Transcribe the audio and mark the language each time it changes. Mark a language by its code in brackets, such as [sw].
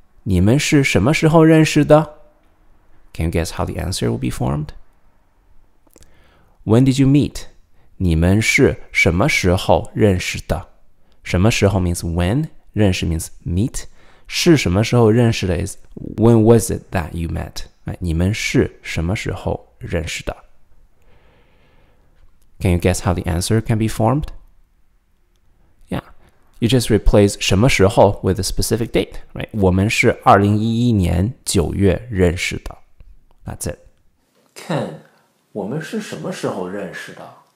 [zh] 你们是什么时候认识的? [en] Can you guess how the answer will be formed? When did you meet? [zh] 你们是什么时候认识的? [en] 什么时候 means when, 认识 means meet, 是什么时候认识的 is when was it that you met? [zh] 你们是什么时候认识的? [en] Can you guess how the answer can be formed? You just replace 什么时候 with a specific date, right? 我们是2011年9月认识的。 That's it. [zh] Ken, 我们是什么时候认识的？